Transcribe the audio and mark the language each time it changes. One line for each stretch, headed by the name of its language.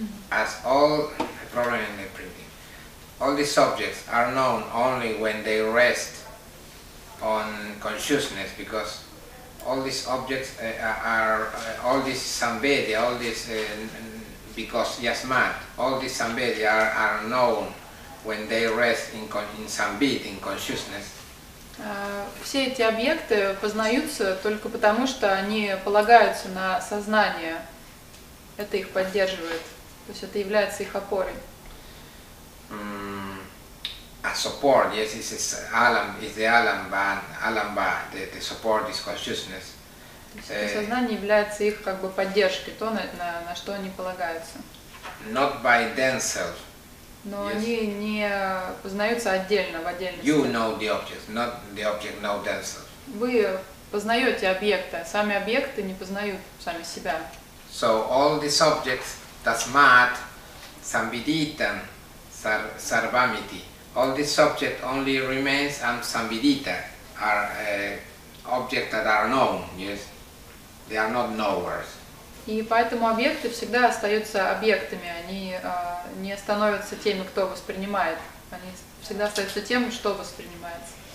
English: As all the problem in the printing, all these objects are known only when they rest on consciousness, because all these objects all these samvedya, all these because yasmat, all these samvedya are known when they rest in samvid, in consciousness.
Russian: Все эти объекты познаются только потому, что они полагаются на сознание. Это их поддерживает. То есть это является их опорой.
English: A support, yes, it's alam, it's the alam ba, the support is consciousness.
Russian: То есть сознание является их как бы поддержкой, то на что они полагаются.
English: Not by themselves.
Russian: Но они не познаются отдельно, в отдельности.
English: You know the object, not the object know themselves.
Russian: Вы познаете объекты, сами объекты не познают сами себя.
English: So all these objects.
Sanskrit: Tasmat, samviditam, sarvamiti.
English: All these subjects only remains and samvidita are objects that are known. Yes, they are not knowers.
Russian: И поэтому объекты всегда остаются объектами. Они не становятся теми, кто воспринимает. Они всегда остаются тем, что воспринимается.